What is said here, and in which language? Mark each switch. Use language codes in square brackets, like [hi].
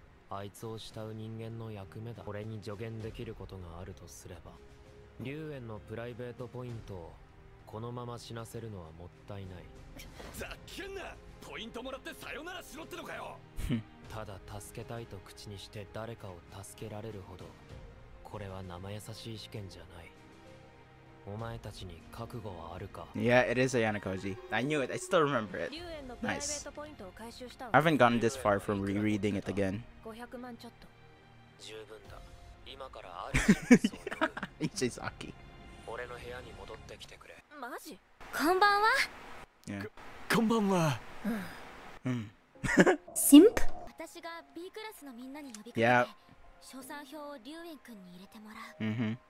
[ja] あいつを慕う人間の役目だ。俺に助言できることがあるとすれば、龍炎のプライベートポイントをこのまま死なせるのはもったいない。ざっけんな！ポイントもらってさよならしろってのかよ！ただ助けたいと口にして誰かを助けられるほど、これは生優しい試験じゃない。お前たちに覚悟はあるか。 [en] Yeah, it is a Ayanokouji. I knew it. I still remember it. Nice. I haven't gotten this far from rereading it again. [ja] 500万ちょっと。十分だ。今からアリシンに相談。イチサキ。俺の部屋に戻ってきてくれ。マジ？こんばんは。こんばんは。シンプ？私が B クラスのみんなに呼びかけて、賞賛票をリュウエン君に入れてもらう。